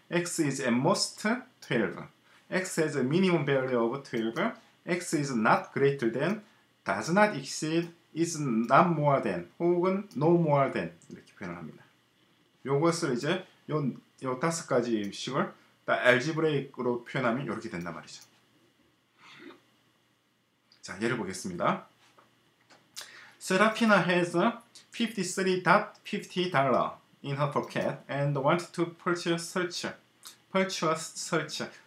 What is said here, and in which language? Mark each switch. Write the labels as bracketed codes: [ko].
[en] x is at most 12, x has a minimum value of 12, x is not greater than, does not exceed, is not more than, 혹은 no more than [ko] 이렇게 표현합니다. 이것을 이제 요 다섯 가지 식을 알지브레이크로 표현하면 이렇게 된단 말이죠. 자, 예를 보겠습니다. [en] Serafina has $53.50 in her pocket and wants to purchase search.